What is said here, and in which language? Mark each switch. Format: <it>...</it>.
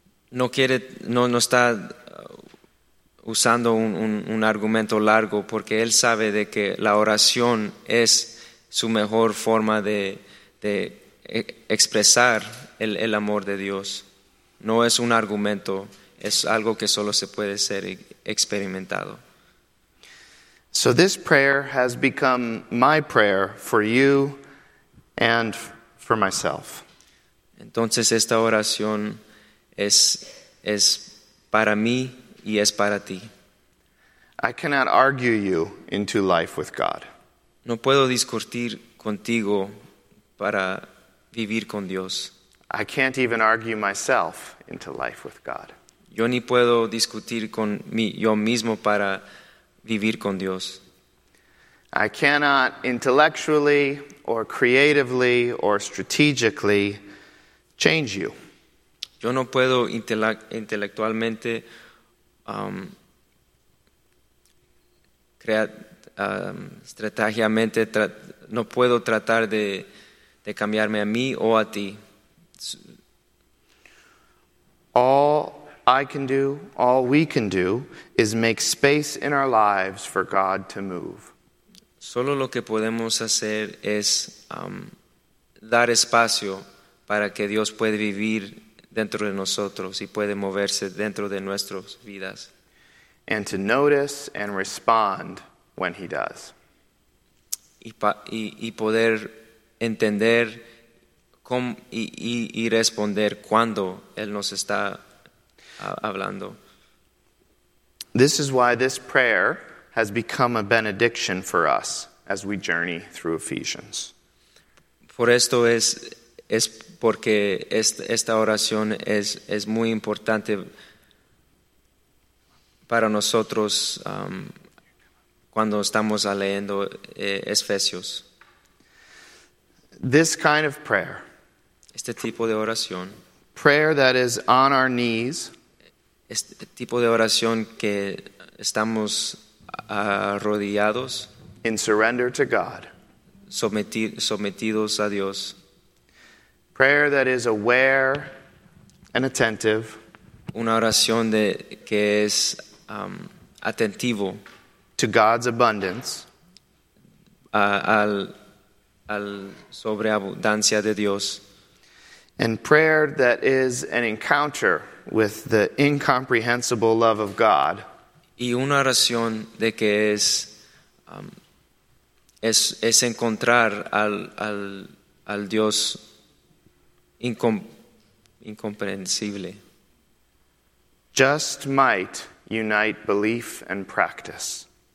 <es>No está usando un argumento largo, porque él sabe de que la oración es su mejor forma de expresar el amor de Dios. No es un argumento, es algo que solo se puede ser experimentado.</es> <en>So this prayer has become my prayer for you and for myself.</en> <es>Entonces esta oración es para mí y es para ti.</es> <en>I cannot argue you into life with God.</en> <es>No puedo discutir contigo para vivir con Dios.</es> <en>I can't even argue myself into life with God.</en> <es>Yo ni puedo discutir con mí yo mismo para vivir con Dios.</es> <en>I cannot intellectually or creatively or strategically change you.</en> <es>Yo no puedo intelectualmente estrategiamente no puedo tratar de cambiarme a mí o a ti.</es> <en>All I can do, all we can do, is make space in our lives for God to move.</en> <es>Solo lo que podemos hacer es dar espacio para que Dios puede vivir dentro de nosotros y puede moverse dentro de nuestras vidas.</es> <en>And to notice and respond when he does.</en> <es>Y poder entender y responder cuando Él nos está hablando.</es> <en>This is why this prayer has become a benediction for us as we journey through Ephesians.</en> <es>Por esto es porque esta oración es muy importante para nosotros cuando estamos leyendo Efesios.</es> <en>This kind of prayer,</en> <es>este tipo de oración,</es> <en>prayer that is on our knees,</en> <es>este tipo de oración que estamos arrodillados,</es> <en>in surrender to God,</en> <es>sometidos a Dios,</es> <en>prayer that is aware and attentive,</en> <es>una oración de que es atentivo,</es> <en>to God's abundance,</en> <es>al sobreabundancia de Dios,</es> <en>and prayer that is an encounter with the incomprehensible love of God,</en> <es>y una oración de que es encontrar al Dios incomprensible.</es> <en>Just might unite belief and practice.</en>